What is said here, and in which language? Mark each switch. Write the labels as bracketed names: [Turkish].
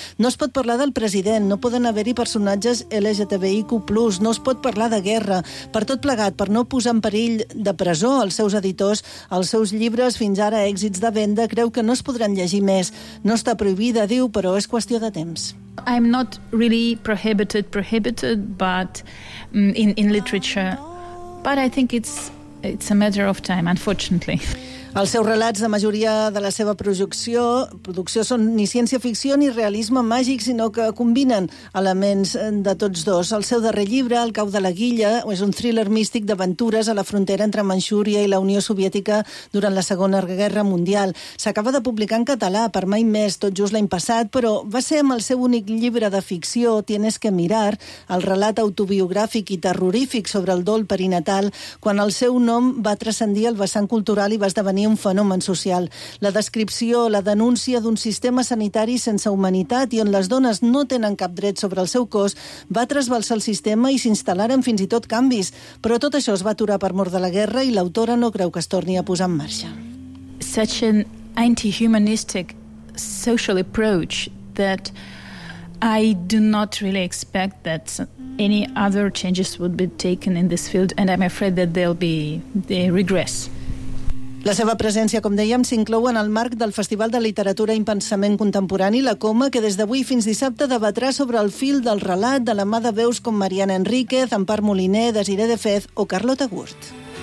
[Catalan] No es pot parlar del president, no poden haver-hi personatges LGTBIQ+, no es pot parlar de guerra. Per tot plegat, per no posar en perill de presó els seus editors, els seus llibres, fins ara èxits de venda, creu que no es podran llegir més. No està prohibida, diu, però és qüestió de temps. [English] I'm not really prohibited, but in literature, but I think it's a matter of time, unfortunately. [Catalan] Els seus relats, de majoria de la seva producció són ni ciència-ficció ni realisme màgic, sinó que combinen elements de tots dos. El seu darrer llibre, El cau de la guilla, és un thriller místic d'aventures a la frontera entre Manxúria i la Unió Soviètica durant la Segona Guerra Mundial. S'acaba de publicar en català per Mai Més, tot just l'any passat, però va ser amb el seu únic llibre de ficció, Tienes que mirar, el relat autobiogràfic i terrorífic sobre el dol perinatal, quan el seu nom va transcendir el vessant cultural i va esdevenir un fenomen social. La descripció, la denúncia d'un sistema sanitari sense humanitat i on les dones no tenen cap dret sobre el seu cos, va trasbalsar el sistema i s'instal·laren fins i tot canvis. Però tot això es va aturar per mort de la guerra i l'autora no creu que es torni a posar en marxa. [English] Such an anti-humanistic social approach that I do not really expect that any other changes would be taken in this field, and I'm afraid that there'll be the regress. [Catalan] La seva presència, com dèiem, s'inclou en el marc del Festival de Literatura i Pensament Contemporani, La Coma, que des d'avui fins dissabte debatrà sobre el fil del relat de la mà de veus com Mariana Enríquez, Empar Moliner, Desiré de Fez o Carlota Gurt.